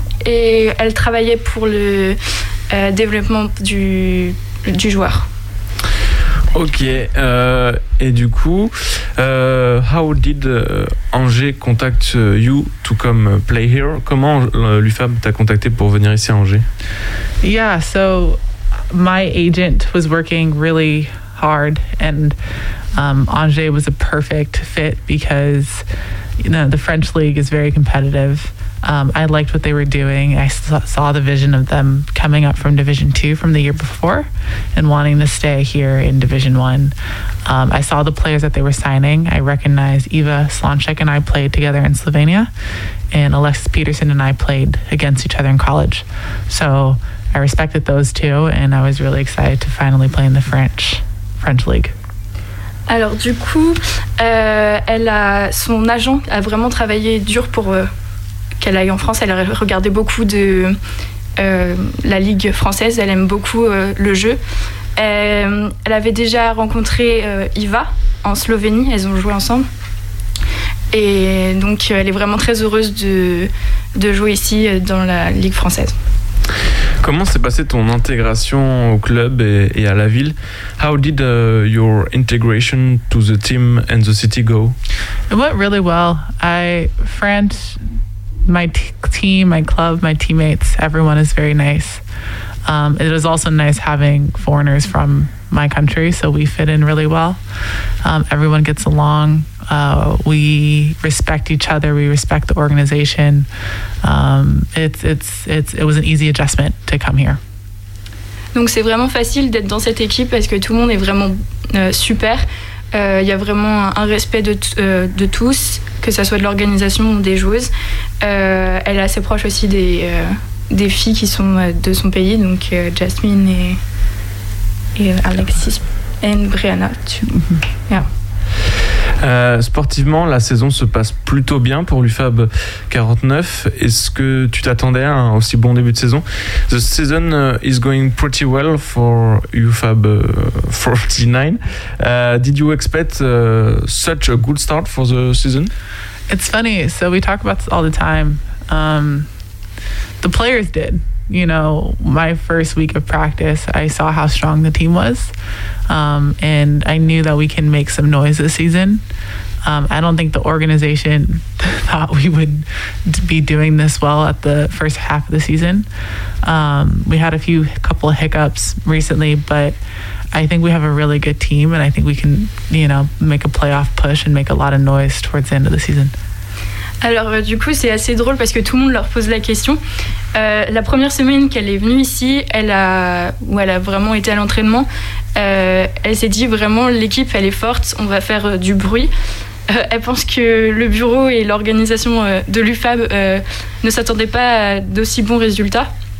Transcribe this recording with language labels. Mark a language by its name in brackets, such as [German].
[French] Et elle travaillait pour le développement du joueur. Ok, et du coup, [English] how did Angers contact you to come play here? [French] Comment l'UFAB t'a contacté pour venir ici à Angers? [English] Yeah, so my agent was working really hard and Angers was a perfect fit because, you know, the French league is very competitive. I liked what they were doing. I saw the vision of them coming up from Division 2 from the year before and wanting to stay here in Division 1. I saw the players that they were signing. I recognized Eva Slonczyk and I played together in Slovenia, and Alexis Peterson and I played against each other in college. So I respected those two, and I was really excited to finally play in the French league. [French] Alors du coup, elle a, son agent a vraiment travaillé dur pour qu'elle aille en France. Elle a regardé beaucoup de la Ligue française, elle aime beaucoup le jeu. Elle avait déjà rencontré Iva en Slovénie, elles ont joué ensemble. Et donc elle est vraiment très heureuse de jouer ici dans la Ligue française. Comment s'est passée ton intégration au club et à la ville? How did your integration to the team and the city go? It went really well. France, my team, my club, my teammates, everyone is very nice. It was also nice having foreigners from my country, so we fit in really well. Everyone gets along. We respect each other. We respect the organization. It was an easy adjustment to come here. Donc c'est vraiment facile d'être dans cette équipe parce que tout le monde est vraiment super. Il y a vraiment un respect de tous, que ça soit de l'organisation ou des joueuses. Elle est assez proche aussi des filles qui sont de son pays, donc Jasmine et Alexis et Brianna. [English] Yeah. [French] Sportivement, la saison se passe plutôt bien pour l'UFAB 49. Est-ce que tu t'attendais à un aussi bon début de saison? [English] The season is going pretty well for UFAB 49. Did you expect such a good start for the season? It's funny. So we talk about this all the time. The players did. You know, my first week of practice, I saw how strong the team was. And I knew that we can make some noise this season. I don't think the organization thought we would be doing this well at the first half of the season. We had a couple of hiccups recently, but I think we have a really good team, and I think we can, you know, make a playoff push and make a lot of noise towards the end of the season. [French] Alors du coup c'est assez drôle parce que tout le monde leur pose la question. La première semaine qu'elle est venue ici, elle a vraiment été à l'entraînement, elle s'est dit vraiment l'équipe elle est forte, on va faire du bruit. Elle pense que le bureau et l'organisation de l'UFAB ne s'attendaient pas à d'aussi bons résultats.